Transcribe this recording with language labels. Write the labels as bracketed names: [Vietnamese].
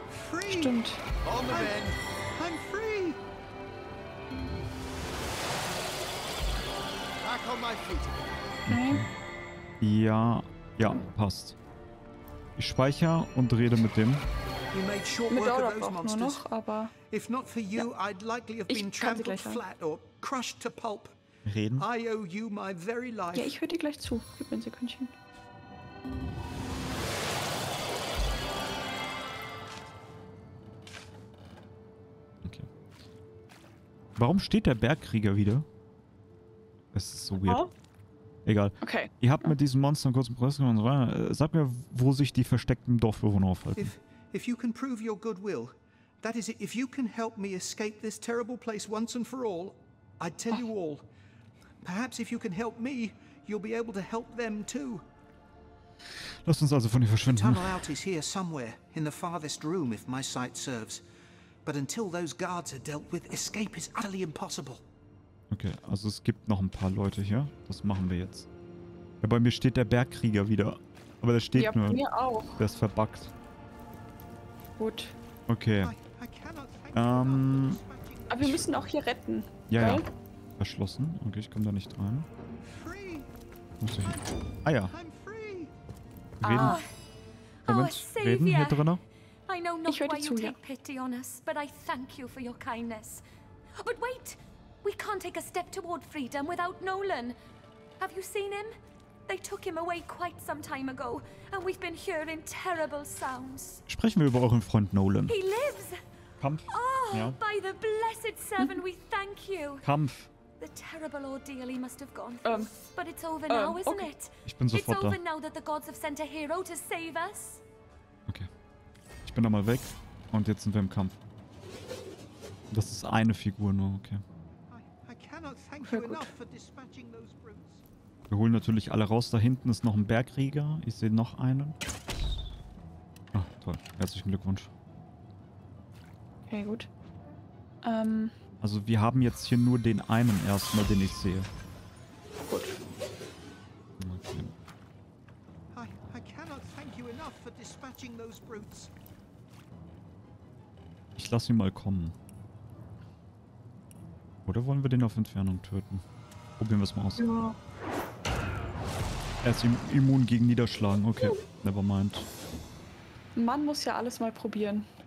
[English] Free. [German] Stimmt. [English] I'm free. Back on my feet. Okay. [German] Ja, ja, passt. Ich speichere und rede mit dem. Mit Medora nur noch, aber... [English] If not for you, [German] ja. [English] I'd likely have been trampled flat or crushed to pulp. [German] Reden. [English] I owe you my very life. [German] Ja, ich höre dir gleich zu. Gib mir ein Sekündchen. Okay. Warum steht der Bergkrieger wieder? Es ist so weird. Oh. Egal. Okay. Ihr habt mit diesen Monstern kurz einen Prozess gemacht und so weiter. Sagt mir, wo sich die versteckten Dorfbewohner aufhalten. [English] If you can prove your goodwill, that is it, if you can help me escape this terrible place once and for all, I'd tell you all. Perhaps if you can help me, you'll be able to help them too. [German] Lass uns also von hier verschwinden. [English] The tunnel out is here somewhere, in the farthest room, if my sight serves. But until those guards are dealt with, escape is utterly impossible. [German] Okay, also es gibt noch ein paar Leute hier. Was machen wir jetzt? Ja, bei mir steht der Bergkrieger wieder. Aber der steht ja, nur. Ja, mir auch. Der ist verbuggt. Gut. Okay. Aber wir müssen auch hier retten. Ja, ja. Verschlossen. Okay, ich komme da nicht rein. Muss ich... Ah ja. Reden. Moment. Reden hier drinnen. Ich höre dir zu, ja. [English] Pity on us, but I thank you for your kindness. But wait, we can't take a step toward freedom without Nolan. Have you seen him? They took him away quite some time ago, and we've been hearing terrible sounds. [German] Sprechen wir über euren Freund Nolan. [English] He lives. [German] Kampf. Oh, ja. [English] By the blessed seven, we thank you. [German] Kampf. [English] The terrible ordeal he must have gone through. But it's over now, isn't okay. it? [German] Ich bin sofort [English] it's [German] da. [English] Over now that the gods have sent a hero to save us. Okay. [German] Ich bin da mal weg und jetzt sind wir im Kampf. Das ist eine Figur nur, okay. [English] I cannot thank you enough for dispatching those brutes. [German] Wir holen natürlich alle raus. Da hinten ist noch ein Bergrieger. Ich sehe noch einen. Ah, toll. Herzlichen Glückwunsch. Okay, gut. Also wir haben jetzt hier nur den einen erstmal, den ich sehe. Gut. Okay. [English] I cannot thank you enough for dispatching those brutes. [German] Ich lasse ihn mal kommen. Oder wollen wir den auf Entfernung töten? Probieren wir es mal aus. Ja. Er ist immun gegen Niederschlagen. [English] Okay, never mind. [German] Man muss ja alles mal probieren.